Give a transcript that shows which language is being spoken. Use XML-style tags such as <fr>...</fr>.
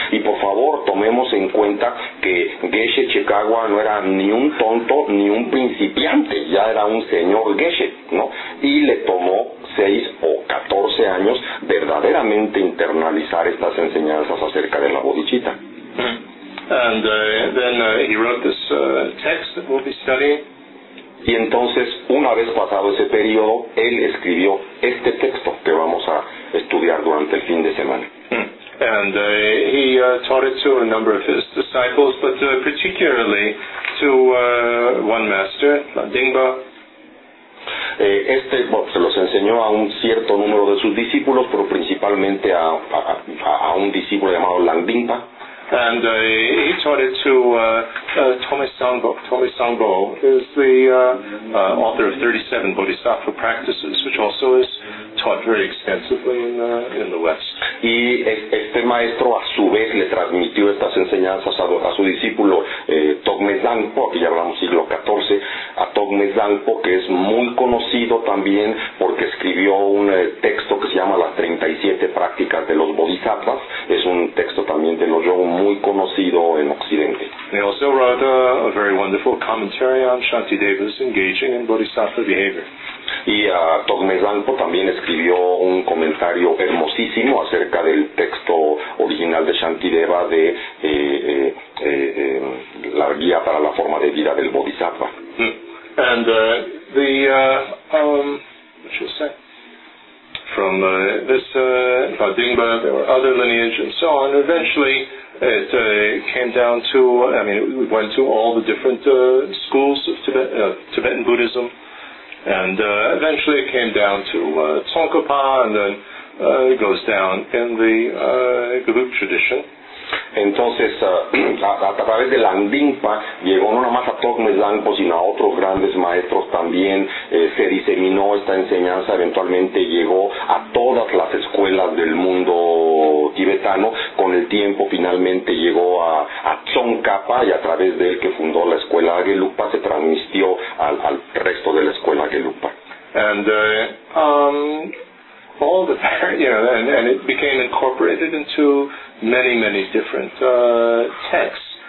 <es>Y por favor, tomemos en cuenta que Geshe Chikawa no era ni un tonto ni un principiante, ya era un señor Geshe, ¿no? Y le tomó 6 o 14 años verdaderamente internalizar estas enseñanzas acerca de la bodichita.</es> <en>And then he wrote this text that we'll be studying.</en> <es>Y entonces, una vez pasado ese periodo, él escribió este texto que vamos a estudiar durante el fin de semana.</es> <en>And he taught it to a number of his disciples, but particularly to one master, Dingba.</en> <es>Se los enseñó a un cierto número de sus discípulos, pero principalmente a un discípulo llamado Langdingpa.</es> <en>And he taught it to Tome Sangbo is the author of 37 Bodhisattva Practices, which also is taught very extensively in the West.</en> <es>Y este maestro a su vez le transmitió estas enseñanzas a su discípulo Tome Sangbo, que ya hablamos siglo XIV, a Tome Sangbo, que es muy conocido también porque escribió un texto que se llama Las 37 Prácticas de los Bodhisattvas. Es un texto también de los yogis muy conocido en Occidente.</es> <en>He also wrote a very wonderful commentary on Shantideva's engaging in bodhisattva behavior.</en> <es>Y Togmezalpo también escribió un comentario hermosísimo acerca del texto original de Shantideva de la guía para la forma de vida del Bodhisattva.</es> <en>And Dingba, there were other lineage and so on. Eventually, it came down to, I mean, we went to all the different schools of Tibetan Buddhism, and eventually it came down to Tsongkhapa, and then it goes down in the group tradition.</en> <es>Entonces, a través de Langdingpa, llegó no nomás a Togme Zangpo, sino a otros grandes maestros también, se diseminó esta enseñanza, eventualmente llegó a todas las escuelas del mundo tibetano, con el tiempo finalmente llegó a Tsongkhapa, y a través de él que fundó la escuela Gelugpa, se transmitió al resto de la escuela Gelugpa.</es> <en>And, all the, you know, and it became incorporated into many, many different texts.</en>